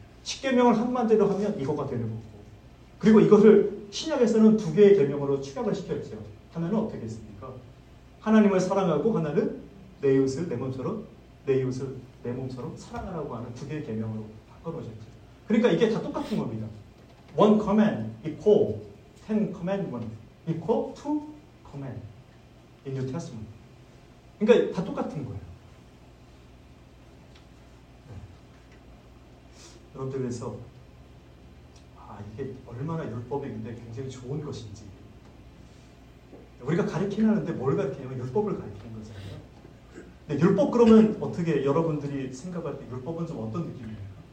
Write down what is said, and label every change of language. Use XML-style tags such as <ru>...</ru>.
<ko>10계명을 한마디로 하면 이거가 되는 거고, 그리고 이것을 신약에서는 두 개의 계명으로 추격을 시켰죠. 하나는 어떻게 했습니까? 하나님을 사랑하고 하나는 내 이웃을 내 몸처럼, 내 이웃을 내 몸처럼 사랑하라고 하는 두 개의 계명으로 바꿔놓으셨죠. 그러니까 이게 다 똑같은 겁니다.</ko> <en>One command equal ten commandments equal two command in New Testament.</en> <ko>그러니까 다 똑같은 거예요. 네. 여러분들 위해서 이게 얼마나 율법이 근데 굉장히 좋은 것인지. 우리가 가르치는데 뭘 가르치냐면 율법을 가르치는 거잖아요. 근데 율법 그러면 어떻게 여러분들이 생각할 때 율법은 좀 어떤 느낌이에요?</ko>